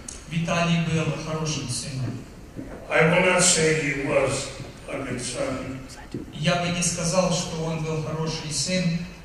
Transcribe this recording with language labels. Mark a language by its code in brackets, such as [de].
[ru] Виталий был хорошим сыном. [en] I will not say he was a good son. [ru] Я бы не сказал, что он был хороший сын.